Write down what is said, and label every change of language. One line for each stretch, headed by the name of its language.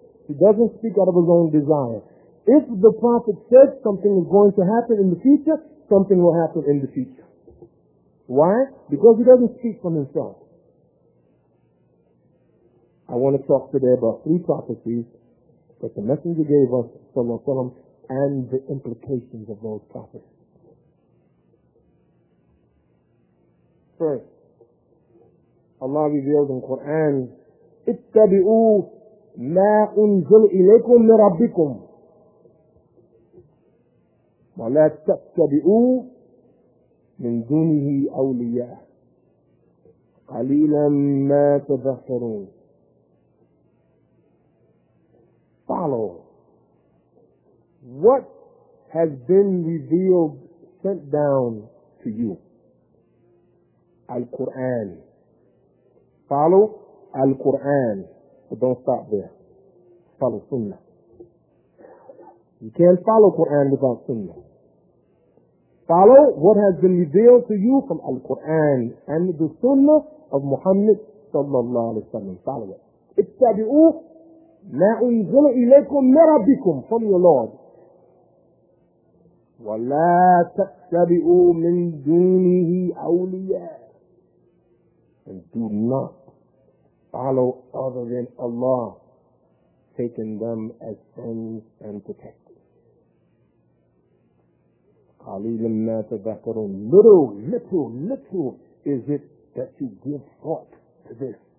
English: He doesn't speak out of his own desire. If the Prophet said something is going to happen in the future, something will happen in the future. Why? Because he doesn't speak from himself. I want to talk today about three prophecies that the Messenger gave us sallallahu alaihi wasallam and the implications of those prophets. First, Allah revealed in Quran,
Arabic: اتبعوا ما انزل اليكم من ربكم ولا تتبعوا من دونه اولياء قليلا ما تذكرون.
English: Follow what has been revealed, sent down to you. Al-Quran. Follow Al-Quran. But don't stop there. Follow Sunnah. You can't follow Quran without Sunnah. Follow what has been revealed to you from Al-Quran and the Sunnah of Muhammad sallallahu alayhi wa sallam. Follow it.
Arabic: اتبعوا ما انزل اليكم من ربكم,
English: from your Lord.
Arabic: ولا تتبعوا من دونه أولياء.
English: And do not follow other than Allah, taking them as friends and protectors.
Arabic: قَلِيلٌ مَا تَذَكَّرُونَ.
English: Little is it that you give thought to this.